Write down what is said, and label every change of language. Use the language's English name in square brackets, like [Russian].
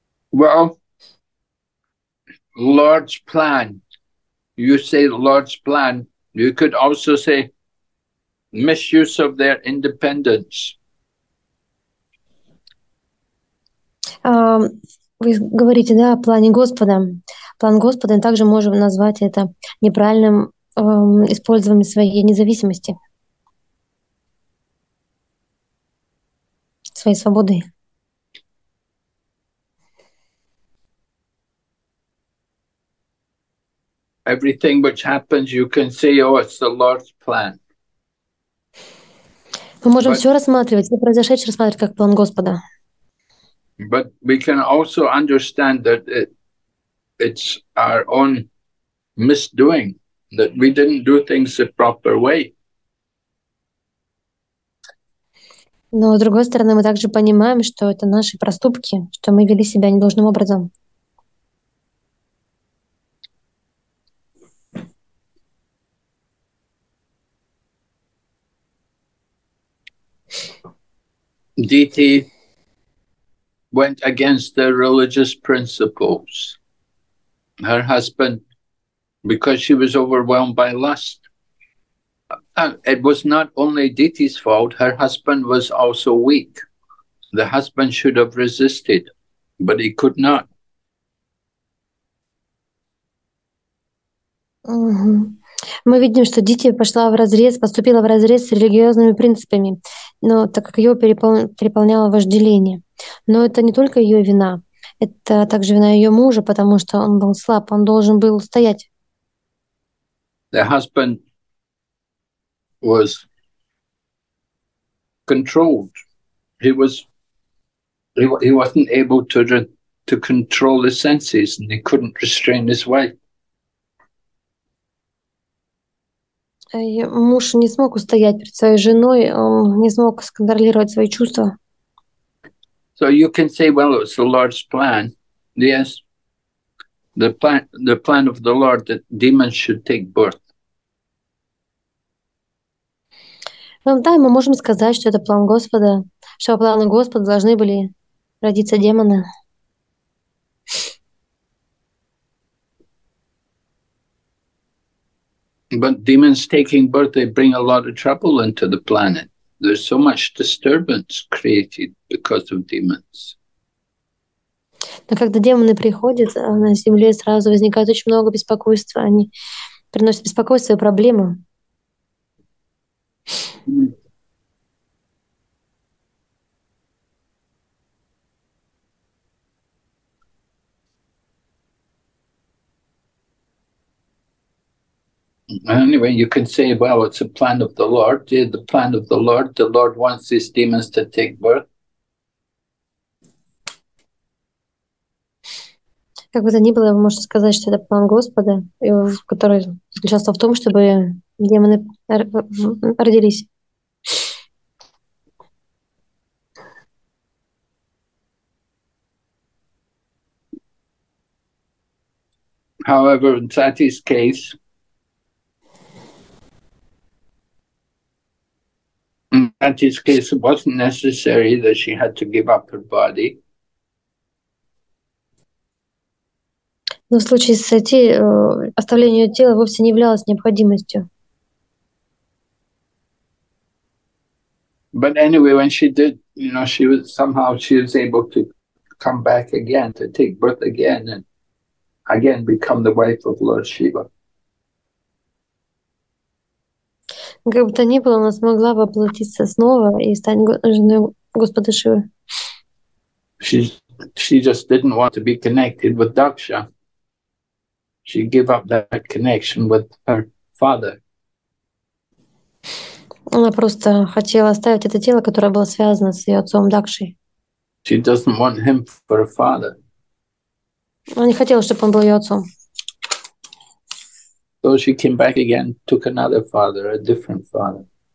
[English] Well, Lord's plan. You say Lord's plan. You could also say misuse of their independence. [Russian] Вы говорите, да, о плане Господа. План Господа, и также можем назвать это неправильным использованием своей независимости, своей свободы. [English] Everything which happens, you can say, oh, it's the Lord's plan. [Russian] Мы можем все рассматривать, все произошедшее рассматривать как план Господа. [English] But we can also understand that it's our own misdoing, that we didn't do things the proper way. [Russian] Но, с другой стороны, мы также понимаем, что это наши проступки, что мы вели себя недолжным образом. [English] Diti went against their religious principles. Her husband, because she was overwhelmed by lust. And it was not only Diti's fault, her husband was also weak. The husband should have resisted, but he could not. [Russian] Мы видим, что Дити пошла в разрез, поступила в разрез с религиозными принципами, но так как ее переполняло вожделение. Но это не только ее вина, это также вина ее мужа, потому что он был слаб, он должен был стоять. [English] The husband was controlled. He wasn't able to control his senses, and he couldn't restrain his wife. [Russian] Муж не смог устоять перед своей женой, он не смог сконтролировать свои чувства. [English] So you can say, well, it's the Lord's plan. Yes, the plan of the Lord that demons should take birth. [Russian] Да, мы можем сказать, что это план Господа, что по плану Господа должны были родиться демоны. [English] But demons taking birth, they bring a lot of trouble into the planet. There's so much disturbance created because of demons. [Russian] Но когда демоны приходят на Земле, сразу возникает очень много беспокойства. Они приносят беспокойство и проблемы. [English] Anyway, you can say, well, it's a plan of the Lord. Yeah, the plan of the Lord. The Lord wants these demons to take birth. [Russian] Как бы то ни было, вы можете сказать, что это план Господа, который заключался в том, чтобы демоны родились. [English] However, in Sati's case, it wasn't necessary that she had to give up her body. [Russian] Но в случае с Сати оставление ее тела вовсе не являлось необходимостью. [English] But anyway, when she did, you know, she was somehow she was able to come back again, to take birth again and again become the wife of Lord Shiva. [Russian] Как бы то ни было, она смогла воплотиться снова и стать женой Господа Шивы. [English] She just didn't want to be connected with Daksha. She gave up that connection with her father. [Russian] Она просто хотела оставить это тело, которое было связано с ее отцом Дакшей. [English] She doesn't want him for a father. [Russian] Она не хотела, чтобы он был ее отцом. [English] So she came back again, took another father, a different father.